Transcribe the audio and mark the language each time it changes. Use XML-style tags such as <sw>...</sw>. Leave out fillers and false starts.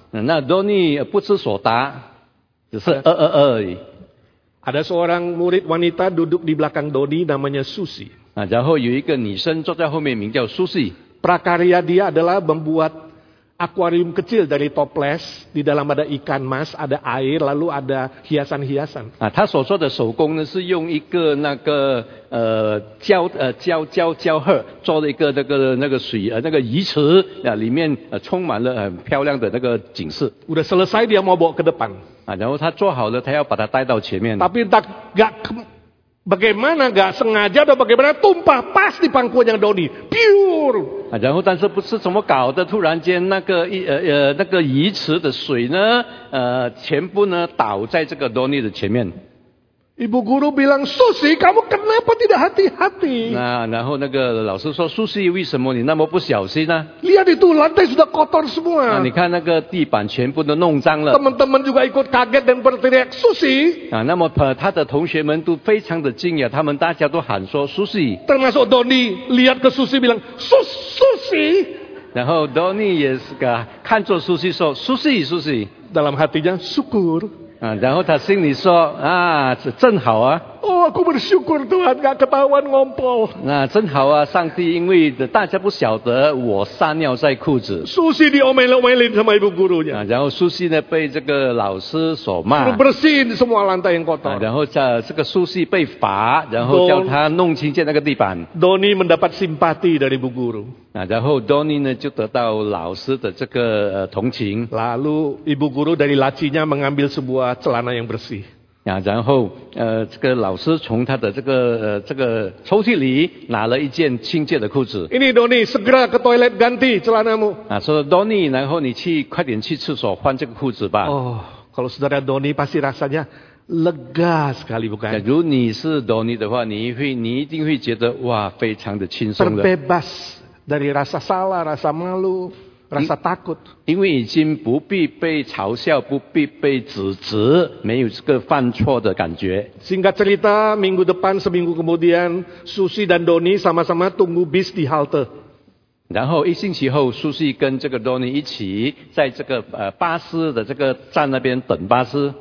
<zh>那 Donny 不知所答，只是而已。</zh> <id>Ada seorang murid wanita duduk di belakang Donny namanya Susie。</id> <zh>然后有一个女生坐在后面，名叫 Susie。</zh> <id>Prakarya dia adalah membuat akuarium kecil dari toples, di dalam ada ikan mas, ada air, lalu ada hiasan-hiasan.</id> <zh>啊，他所做的手工呢，是用一个那个胶鹤做了一个那个水那个鱼池啊，里面充满了很漂亮的那个景色。</zh> <id>Udah selesai dia mau bawa ke depan.</id> <zh>啊，然后他做好了，他要把它带到前面。</zh> <id>Tapi tak gak bagaimana gak sengaja atau bagaimana tumpah pas di pangkuan yang Doni pure.</id> <zh>啊，然后但是不是怎么搞的，突然间那个鱼池的水呢，全部呢倒在这个 Doni 的前面。</zh> <id>Ibu guru bilang Susie, kamu kenapa tidak hati-hati?</id> <zh>那然后那个老师说 Susie, 为什么你那么不小心呢？</zh> <id>Lihat itu, lantai sudah kotor semua.</id> <zh>你看那个地板全部都弄脏了。</zh> <id>Teman-teman juga ikut kaget dan berteriak Susie.</id> <zh>啊，那么他的同学们都非常的惊讶，他们大家都喊说 Susie.</zh> <id>Termasuk Doni, lihat ke Susie bilang Susie.</id> <zh>然后 Doni 也是个看着 Susie 说 Susie Susie.</zh> <id>Dalam hatinya syukur.</id> <zh>啊，然后他心里说啊，正好啊。</zh> <id>Oh, aku bersyukur Tuhan gak ketahuan ngompol.</id> <zh>那正好啊，上帝，因为大家不晓得我撒尿在裤子。</zh> <id>Susie diomelin sama ibu gurunya.</id> <zh>然后 Susie 呢被这个老师所骂。</zh> <id>Bersihin semua lantai yang kotor.</id> <zh>然后这个 Susie 被罚，然后叫他弄清洁那个地板。</zh> <id>Doni mendapat simpati dari ibu guru.</id> <zh>然后 Doni 呢就得到老师的这个同情。</zh> <id>Lalu ibu guru dari lacinya mengambil sebuah celana yang bersih.</id> <zh>然后这个老师从他的这个抽屉里拿了一件清洁的裤子。</zh> <id>Ini Doni, segera ke toilet ganti celanamu.</id> <zh>啊，说 Doni, 然后你去快点去厕所换这个裤子吧。</zh> <id>Oh, kalau saudara Doni pasti rasanya lega sekali, bukan?</id> <zh>假如你是 Doni 的话，你一定会觉得哇，非常的轻松的。</zh> <id>Terbebas dari rasa salah, rasa malu. Rasa takut.</id> <zh>因为已经不必被嘲笑，不必被指责，没有这个犯错的感觉。</zh> <id>Singkat cerita, minggu depan, seminggu kemudian, Susie dan Doni sama-sama tunggu bis di halte.</id> <zh>然后一星期后 ，Susie 跟这个 Doni 一起在这个巴士的这个站那边等巴士。</zh>